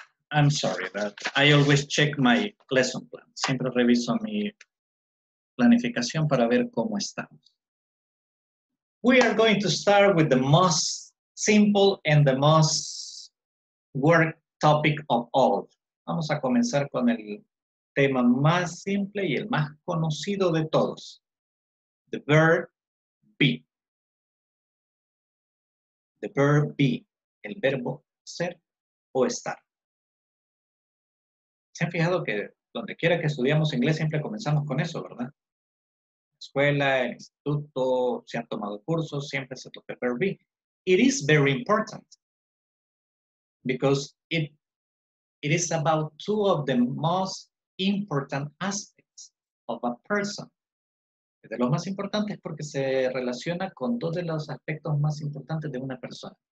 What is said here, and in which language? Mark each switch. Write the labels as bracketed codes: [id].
[en] I'm sorry, but I always check my lesson plan. [es] Siempre reviso mi planificación para ver cómo estamos. [en] We are going to start with the most simple and the most work topic of all. [es] Vamos a comenzar con el tema más simple y el más conocido de todos. [en] The verb be. The verb be. [es] El verbo ser o estar. ¿Se han fijado que donde quiera que estudiamos inglés siempre comenzamos con eso, verdad? Escuela, el instituto, se han tomado cursos, siempre se toca el verb be. [en] It is very important because it is about two of the most important aspects of a person. [es] Es de los más importantes porque se relaciona con dos de los aspectos más importantes de una persona.